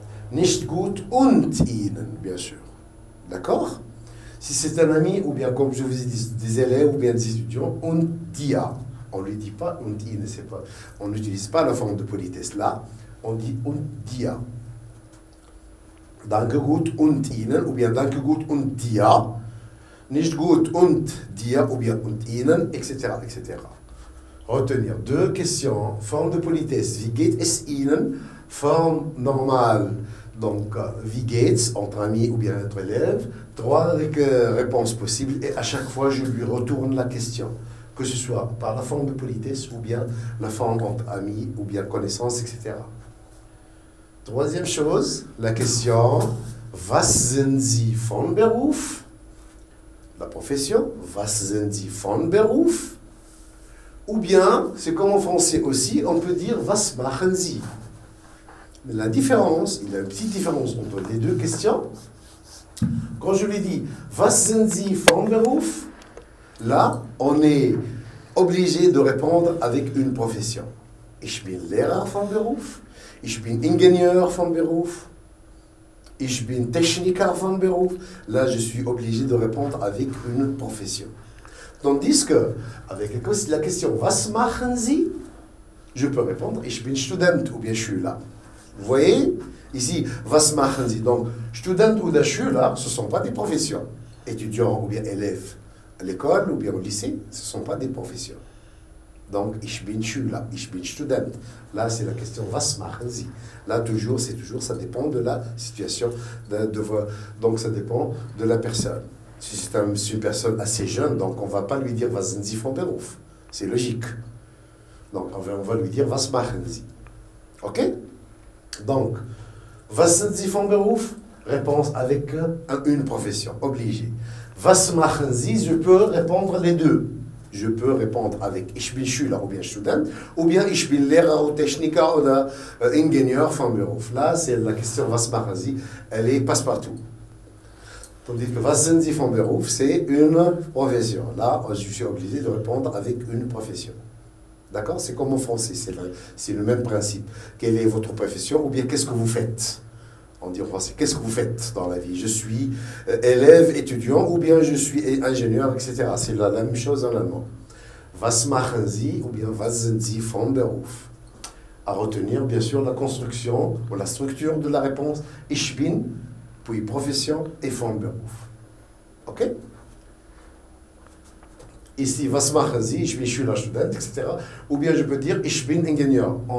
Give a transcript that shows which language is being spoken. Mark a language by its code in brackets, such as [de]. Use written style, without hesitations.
[de] Nicht gut und Ihnen, [fr] bien sûr. D'accord? Si c'est un ami, ou bien comme je vous ai dit, des élèves, ou bien des étudiants, [de] und dir. [fr] On ne lui dit pas [de] und Ihnen, [fr] c'est pas, on n'utilise pas la forme de politesse là. On dit [de] und dir. Danke gut und Ihnen, [fr] ou bien [de] danke gut und dir. Nicht gut und dir, [fr] ou bien [de] und Ihnen, etc. etc. [fr] Retenir deux questions. Forme de politesse, [de] wie geht es Ihnen? [fr] Forme normale, donc [de] wie geht's, [fr] entre amis ou bien entre élèves. Trois réponses possibles et à chaque fois je lui retourne la question, que ce soit par la forme de politesse ou bien la forme entre amis ou bien connaissance, etc. Troisième chose, la question, [de] was sind Sie von Beruf? [fr] La profession, [de] was sind Sie von Beruf? [fr] Ou bien, c'est comme en français aussi, on peut dire, [de] was machen Sie? [fr] Mais la différence, il y a une petite différence entre les deux questions. Quand je lui dis, [de] was sind Sie von Beruf? [fr] Là, on est obligé de répondre avec une profession. [de] Ich bin Lehrer von Beruf. Ich bin Ingenieur von Beruf. Ich bin Techniker von Beruf. [fr] Là, je suis obligé de répondre avec une profession. Tandis que, avec la question [de] Was machen Sie? [fr] Je peux répondre [de] Ich bin Student [fr] ou bien je suis là. Vous voyez ici, [de] Was machen Sie? [fr] Donc, Student ou Schüler, ce ne sont pas des professions. Étudiant ou bien élève à l'école ou bien au lycée, ce ne sont pas des professions. Donc, [de] ich bin Schüler, ich bin Student. [fr] Là, c'est la question, [de] was machen Sie? [fr] Là, toujours, c'est toujours, ça dépend de la situation. Donc, ça dépend de la personne. Si c'est une personne assez jeune, donc on ne va pas lui dire, [de] was sind Sie von Beruf? [fr] C'est logique. Donc, on va lui dire, [de] was machen Sie? [fr] OK? Donc, [de] was sind Sie von Beruf? [fr] Réponse avec une profession, obligée. [de] Was machen Sie? [fr] Je peux répondre les deux. Je peux répondre avec [de] Ich bin Schüler [fr] ou bien Student, ou bien [de] Ich bin Lehrer [fr] ou Techniker ou [de] Ingenieur von Beruf. [fr] Là, c'est la question [de] Was machen Sie? [fr] Elle est passe-partout. Tandis que [de] Was sind Sie von Beruf? [fr] C'est une profession. Là, je suis obligé de répondre avec une profession. D'accord? C'est comme en français, c'est le même principe. Quelle est votre profession ou bien qu'est-ce que vous faites? On dit en français, qu'est-ce que vous faites dans la vie? Je suis élève, étudiant, ou bien je suis ingénieur, etc. C'est la même chose en allemand. [de] Was machen Sie, [fr] ou bien [de] was sind Sie von Beruf? [fr] À retenir, bien sûr, la construction ou la structure de la réponse. [de] Ich bin, [fr] puis profession et [de] von Beruf. OK? Ici, was machen Sie, ich bin Schüler, Student, etc. [fr] Ou bien je peux dire, [de] ich bin [fr] ingénieur.